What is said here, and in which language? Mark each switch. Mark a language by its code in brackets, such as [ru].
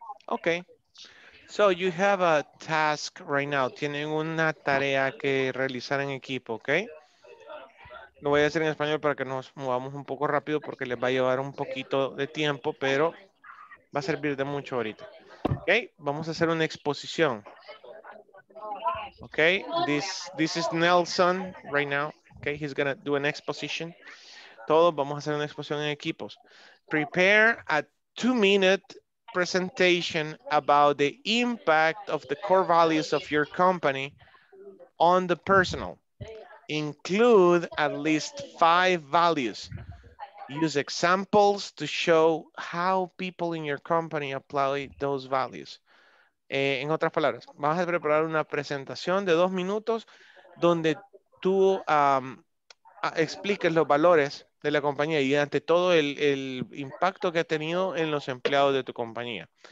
[en] Okay, so you have a task right now. [es] Tienen una tarea que realizar en equipo, okay? Lo voy a decir en español para que nos movamos un poco rápido porque les va a llevar un poquito de tiempo, pero va a servir de mucho ahorita. Okay, vamos a hacer una exposición. Okay, [en] this is Nelson right now. [es] Okay, [en] he's gonna do an exposition. [es] Todos vamos a hacer una exposición en equipos. [en] Prepare a 2-minute presentation about the impact of the core values of your company on the personal. Include at least 5 values. Use examples to show how people in your company apply those values. [es] En otras palabras, vas a preparar una presentación de 2 minutos donde tú expliques los valores de la compañía y ante todo el impacto que ha tenido en los empleados de tu compañía.